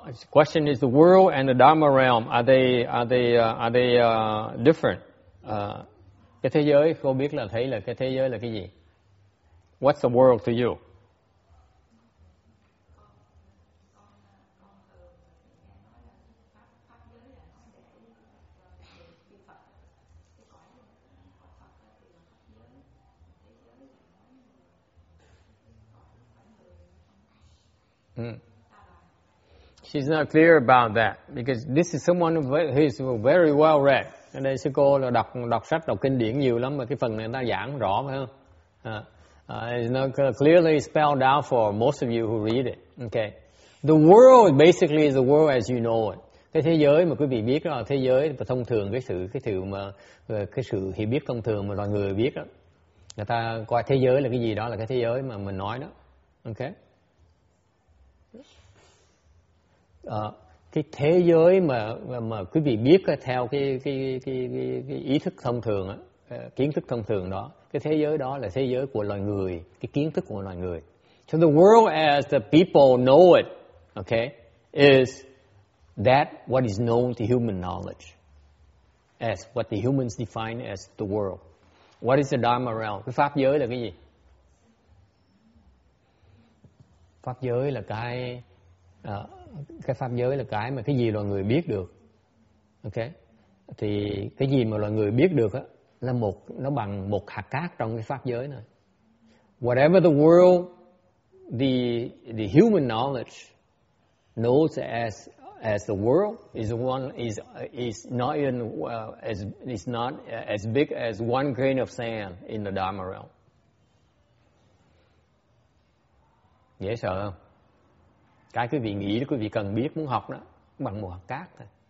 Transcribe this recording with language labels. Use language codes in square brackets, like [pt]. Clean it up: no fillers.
[en] Question is the world and the Dharma realm are they different? [vi] Cái thế giới cô biết là thấy là cái thế giới là cái gì? [en] What's the world to you? She's not clear about that because this is someone who is very well read. [vi] Ở đây sư cô là đọc đọc sách đọc kinh điển nhiều lắm mà cái phần này ta giảng rõ phải không? [en] It's not clearly spelled out for most of you who read it. Okay. The world basically is the world as you know it. [vi] Cái thế giới mà quý vị biết đó là thế giới mà thông thường cái sự hiểu biết thông thường mà loài người biết đó. Người ta coi thế giới là cái gì đó là cái thế giới mà mình nói đó. Okay. Cái thế giới mà quý vị biết theo cái ý thức thông thường á, kiến thức thông thường đó, cái thế giới đó là thế giới của loài người, cái kiến thức của loài người. [en] So the world as the people know it, okay, is that what is known to human knowledge, as what the humans define as the world. What is the Dharma realm? [vi] Cái pháp giới là cái gì? Pháp giới là cái pháp giới là cái mà cái gì loài người biết được. Ok. Thì cái gì mà loài người biết được á là một, nó bằng một hạt cát trong cái pháp giới này. [en] Whatever the world, the human knowledge knows as the world is one is not even as is not as big as one grain of sand in the Dharma realm. [vi] Dễ sợ không? Cái quý vị nghĩ, quý vị cần biết, muốn học đó, bằng một hạt cát thôi.